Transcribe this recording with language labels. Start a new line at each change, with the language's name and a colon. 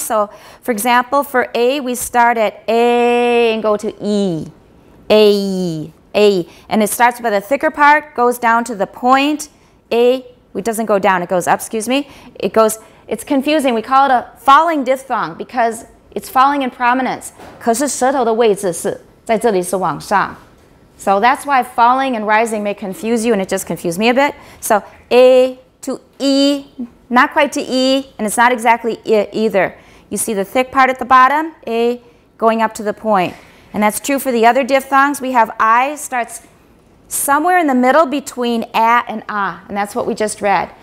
English: So, for example, for A, we start at A and go to E. A, A. And it starts by the thicker part, goes down to the point. A, it doesn't go down, it goes up, excuse me. It goes, it's confusing. We call it a falling diphthong because it's falling in prominence.
Chinese: 可是舌头的位置是在这里是往上.
English: So that's why falling and rising may confuse you, and it just confused me a bit. So A to E, not quite to E, and it's not exactly I either. You see the thick part at the bottom, A, going up to the point. And that's true for the other diphthongs. We have I starts somewhere in the middle between A and A, and that's what we just read.